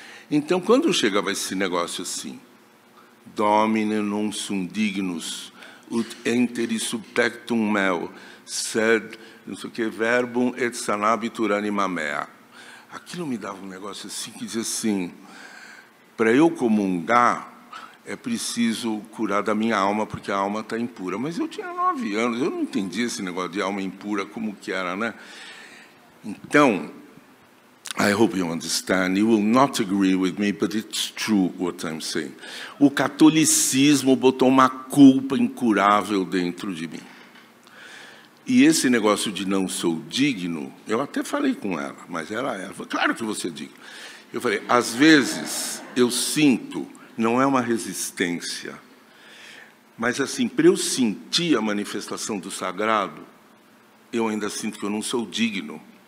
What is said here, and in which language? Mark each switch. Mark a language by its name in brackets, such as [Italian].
[Portuguese] Então, quando chegava esse negócio assim, [Latin] Domine non sum dignus, ut enteri subtectum meo, sed, [Portuguese] não sei o que, [Latin] verbum et sanabitur anima mea. [Portuguese] Aquilo me dava um negócio assim, que dizia assim, para eu comungar, é preciso curar da minha alma, porque a alma está impura. Mas eu tinha 9 anos, eu não entendi esse negócio de alma impura, como que era, né? [English] Então, I hope you understand, you will not agree with me, but it's true what I'm saying. [Portuguese] O catolicismo botou uma culpa incurável dentro de mim. E esse negócio de não sou digno, eu até falei com ela, mas ela falou, claro que você é digno. Eu falei, às vezes eu sinto, não é uma resistência, mas assim, para eu sentir a manifestação do sagrado, eu ainda sinto que eu não sou digno.